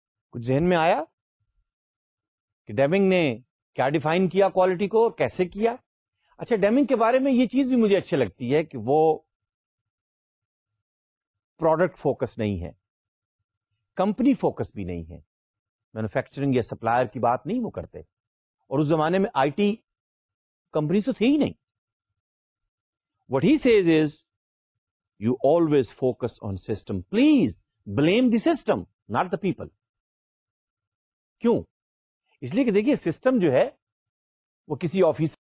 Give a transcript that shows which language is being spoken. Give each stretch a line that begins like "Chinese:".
Urdu: کچھ ذہن میں آیا کہ ڈیمنگ نے کیا ڈیفائن کیا کوالٹی کو اور کیسے کیا؟ اچھا, ڈیمنگ کے بارے میں یہ چیز بھی مجھے اچھی لگتی ہے کہ وہ پروڈکٹ فوکس نہیں ہے, کمپنی فوکس بھی نہیں ہے, مینوفیکچرنگ یا سپلائر کی بات نہیں وہ کرتے, اور اس زمانے میں آئی ٹی کمپنیز تو تھی ہی نہیں.
English: What he says is, you always focus on system. Please blame the system, not the people.
Urdu: کیوں؟ اس لیے کہ دیکھیے, سسٹم جو ہے وہ کسی آفس